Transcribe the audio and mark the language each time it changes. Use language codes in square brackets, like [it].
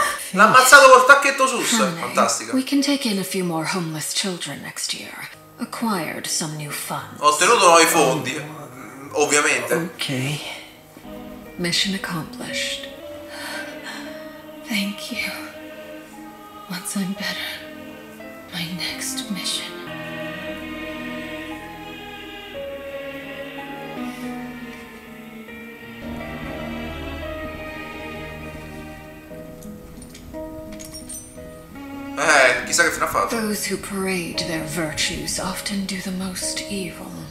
[it] L'ha ammazzato col tacchetto sus, fantastico. [en] We can take in a few more homeless children next year. Acquired some new funds. [it] Ho ottenuto nuovi fondi, ovviamente. [en] Ok. Mission accomplished. Thank you. Once I'm better, my next mission. [it] Chissà che fine ha fatto. [en] Those who parade their virtues often do the most evil.